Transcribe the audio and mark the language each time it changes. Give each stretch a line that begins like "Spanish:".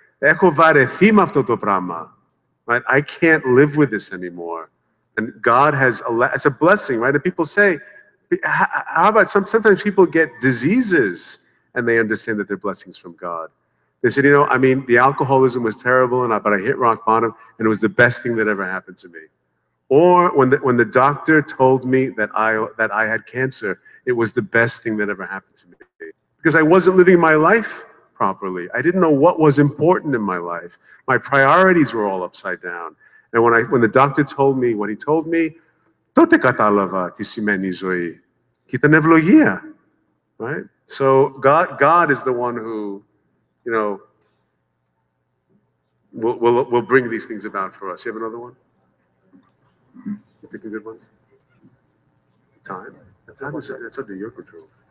Greek: Έχω βαρεθεί με αυτό το πράγμα.
English: Right? I can't live with this anymore. And God has, it's a blessing, right? And people say, how about sometimes people get diseases and they understand that they're blessings from God. They said, you know, I mean, the alcoholism was terrible, but I hit rock bottom and it was the best thing that ever happened to me. Or when the doctor told me that I had cancer, it was the best thing that ever happened to me. Because I wasn't living my life properly. I didn't know what was important in my life. My priorities were all upside down. And when the doctor told me what he told me,
Greek: τότε κατάλαβα τι σημαίνει η ζωή. Και ήταν ευλογία.
English: Right? So God is the one who, you know, will bring these things about for us. You have another one? You picking good ones? Time is, that's under your control.